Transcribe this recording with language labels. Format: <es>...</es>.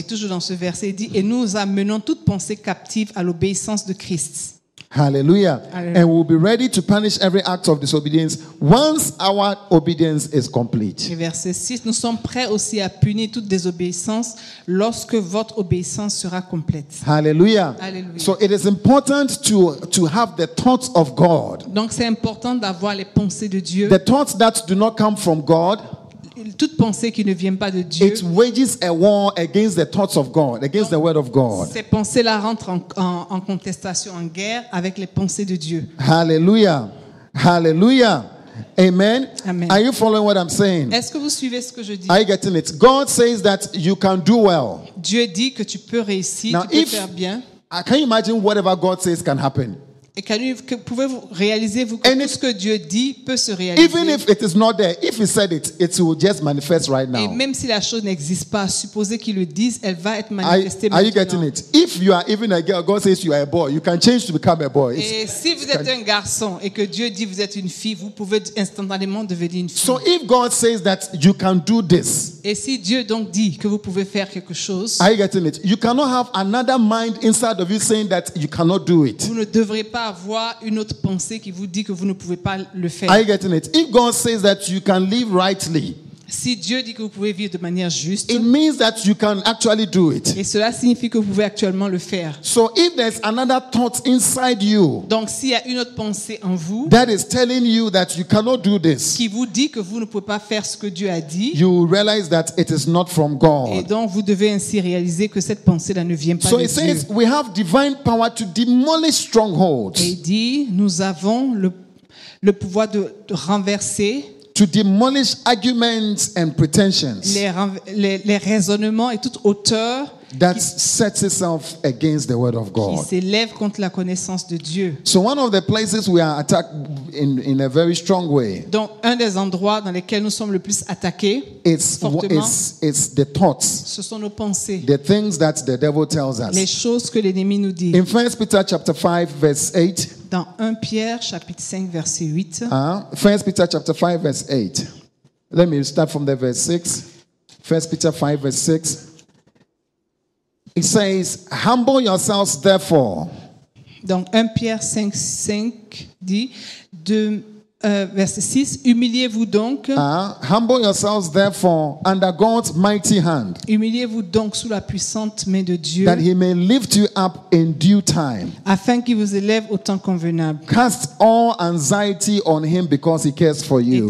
<fr>Et toujours dans ce verset, il dit et nous amenons toute pensée captive à l'obéissance de Christ. Hallelujah. Hallelujah.</fr> <en>And we'll be ready to punish every act of disobedience once our obedience is complete.</en> <fr>Et verset 6, nous sommes prêts aussi à punir toute désobéissance lorsque votre obéissance sera complète. Hallelujah. Hallelujah.</fr> <en>So it is important to have the thoughts of God.</en> <fr>Donc c'est important d'avoir les pensées de Dieu.</fr> <en>The thoughts that do not come from God.</en> <fr>Toute pensée qui ne vient pas de Dieu.</fr> <en>It wages a war against the thoughts of God, against the word of God.</en> <fr>Ces pensées-là rentrent en contestation, en guerre avec les pensées de Dieu. Hallelujah. Hallelujah. Amen. Amen.</fr> <en>Are you following what I'm saying?</en> <fr>Est-ce que vous suivez ce que je dis?</fr> <en>Are you getting it? God says that you can do well.</en> <fr>Dieu dit que tu peux réussir,</fr> <en>now,</en> <fr>tu peux faire bien.</fr> <en>Can you imagine whatever God says can happen?</en> <fr>Et pouvez-vous réaliser que tout ce que Dieu dit peut se réaliser?</fr> <en>Even if it is not there, if he said it, it will just manifest right now.</en> <fr>Et même si la chose n'existe pas, supposez qu'il le dise, elle va être manifestée maintenant.</fr> <en>Are you getting it? If you are even a girl, God says you are a boy, you can change to become a boy.</en> <fr>Et si vous êtes un garçon et que Dieu dit vous êtes une fille, vous pouvez instantanément devenir une fille.</fr> <en>So if God says that you can do this.</en> <fr>Et si Dieu donc dit que vous pouvez faire quelque chose.</fr> <en>Are you getting it? You cannot have another mind inside of you saying that you cannot do it.</en> <fr>Vous ne devrez pas avoir une autre pensée qui vous dit que vous ne pouvez pas le faire.</fr> <en>Are you getting it? If God says that you can live rightly,</en> <fr>si Dieu dit que vous pouvez vivre de manière juste,</fr> <en>it means that you can actually do it.</en> <fr>Et cela signifie que vous pouvez actuellement le faire.</fr> <en>So if there's another thought inside you,</en> <fr>donc s'il y a une autre pensée en vous,</fr> <en>that is telling you that you cannot do this,</en> <fr>qui vous dit que vous ne pouvez pas faire ce que Dieu a dit,</fr> <en>you realize that it is not from God.</en> <fr>Et donc vous devez ainsi réaliser que cette pensée-là ne vient pas</fr> <en>so</en> <fr>de Dieu.</fr> <en>So it says we have divine power to demolish strongholds.</en> <fr>Et dit nous avons le pouvoir de renverser.</fr> <en>To demolish arguments and pretensions.</en> <fr>Les raisonnements et toute hauteur.</fr> <en>That sets itself against the word of God.</en> <fr>Qui s'élève contre la connaissance de Dieu.</fr> <en>So one of the places we are attacked in a very strong way.</en> <fr>Donc un des endroits dans lesquels nous sommes le plus attaqués.</fr> <en>It's the thoughts.</en> <fr>Ce sont nos pensées.</fr> <en>The things that the devil tells us.</en> <fr>Les choses que l'ennemi nous dit.</fr> <en>In 1 Peter chapter 5 verse 8.</en> <fr>Dans 1 Pierre chapitre 5 verset 8.</fr> <en>1 Peter chapter 5 verse 8. Let me start from the verse 6. 1 Peter 5 verse 6. It says, humble yourselves therefore.</en> <fr>Donc 1 Pierre 5 dit, verset 6, humiliez-vous donc.</fr> <en>Humble yourselves therefore under God's mighty hand.</en> <fr>Humiliez-vous donc sous la puissante main de Dieu.</fr> <en>That he may lift you up in due time.</en> <fr>Afin qu'il vous élève au temps convenable.</fr> <en>Cast all anxiety on him because he cares for you.</en>